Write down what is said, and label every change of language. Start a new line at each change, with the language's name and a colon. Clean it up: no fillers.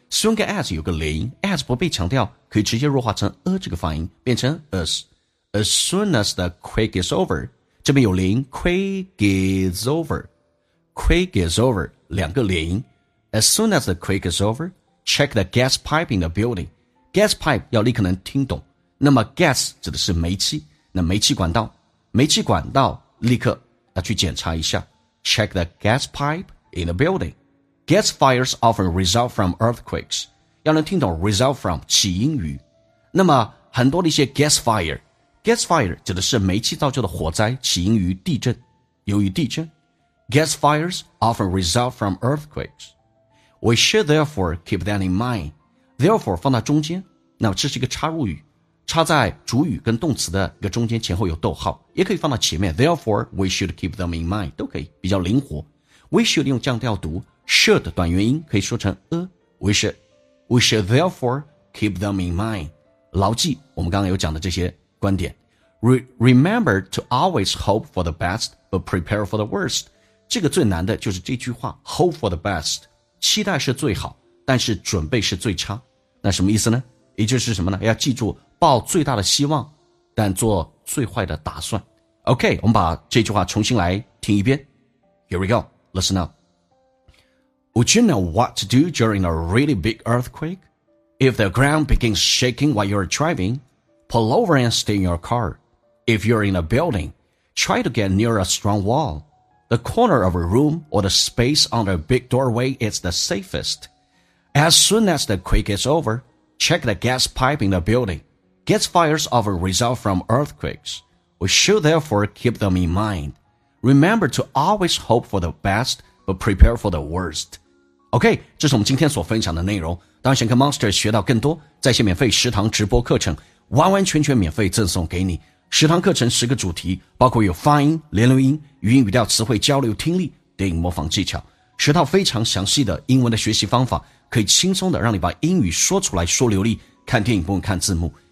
Chinese: soon 跟 as 有个连音 ，as 不被强调，可以直接弱化成这个发音，变成 as。
English: as soon as the quake is over，
Chinese: 这边有连音
English: ，quake is over。 Quake is over， 两个连音。 As soon as the quake is over， check the gas pipe in the building。
Chinese: Gas pipe 要立刻能听懂。那么 gas 指的是煤气，那煤气管道，煤气管道立刻去检查一下。
English: Check the gas pipe in the building. Gas fires often result from earthquakes.
Chinese: 要能听懂
English: result from
Chinese: 起因于。那么很多的一些 gas fire 指的是煤气造就的火灾，起因于地震，由于地震。
English: Gas fires often result from earthquakes. We should therefore keep that in mind.
Chinese: Therefore 放到中间，那么这是一个插入语，插在主语跟动词的一个中间，前后有逗号，也可以放到前面。
English: Therefore, we should keep them in mind.
Chinese: 都可以，比较灵活。
English: We should
Chinese: 用降调读
English: ，should
Chinese: 短元音可以说成
English: We should. We should therefore keep them in mind.
Chinese: 牢记我们刚刚有讲的这些观点。
English: Remember to always hope for the best, but prepare for the worst.
Chinese: 这个最难的就是这句话 ，
English: hope for the best.
Chinese: 期待是最好，但是准备是最差。那什么意思呢？也就是什么呢？要记住。抱最大的希望，但做最坏的打算。 OK, 我们把这句话重新来听一遍。
English: Here we go, listen up. Would you know what to do during a really big earthquake? If the ground begins shaking while you're driving, pull over and stay in your car. If you're in a building, try to get near a strong wall. The corner of a room or the space under a big doorway is the safest. As soon as the quake is over, check the gas pipe in the building. Gas fires often result from earthquakes. We should therefore keep them in mind. Remember to always hope for the best, but prepare for the worst.
Chinese: OK, 这是我们今天所分享的内容。当然想跟 Monster 学到更多，在线免费食堂直播课程完完全全免费赠送给你。食堂课程十个主题，包括有发音、连读音、语音语调、词汇交流、听力、电影模仿技巧，十套非常详细的英文的学习方法，可以轻松的让你把英语说出来说流利，看电影不用看字幕。